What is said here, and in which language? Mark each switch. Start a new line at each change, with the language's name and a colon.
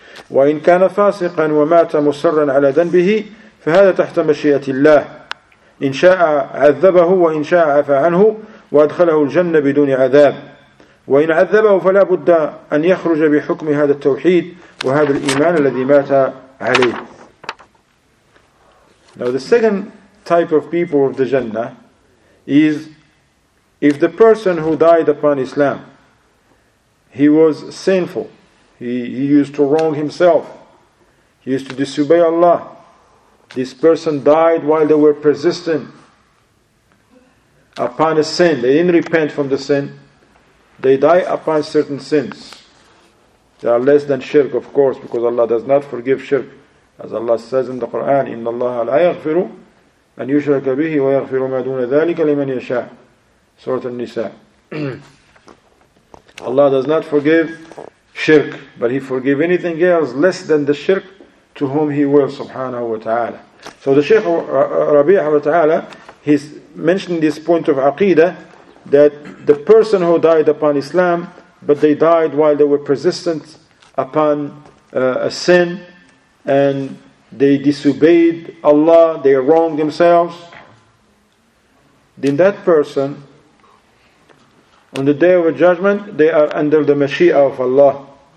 Arabic: وَإِنْ كَانَ فَاسِقًا وَمَاتَ مُسَرًّا عَلَى ذَنْبِهِ فَهَذَا تَحْتَ مَشِيَةِ اللَّهِ إِنْ شَاءَ عَذَّبَهُ وَإِنْ شَاءَ عَفَى عَنْهُ وأدخله الجنة بدون عذاب وإن عذبه فلا بد أن يخرج بحكم هذا التوحيد وهذا الإيمان الذي مات عليه.
English: Now the second type of people of the Jannah is if the person who died upon Islam, he was sinful, he used to wrong himself, he used to disobey Allah, this person died while they were persistent upon a sin, they didn't repent from the sin, they die upon certain sins. They are less than shirk, of course, because Allah does not forgive shirk. As Allah says in the Quran,
Arabic: إِنَّ اللَّهَ لَا يَغْفِرُ أن يشرك به ويغفر ما دون ذلك لمن يشاء. سورة النساء.
English: Allah does not forgive shirk, but He forgives anything else less than the shirk to whom He wills, subhanahu wa ta'ala. So the Shaykh Rabi'ah wa ta'ala, he's mentioning this point of aqidah, that the person who died upon Islam, but they died while they were persistent upon a sin, and they disobeyed Allah, they wronged themselves, then that person, on the day of judgment, they are under the mashia of Allah.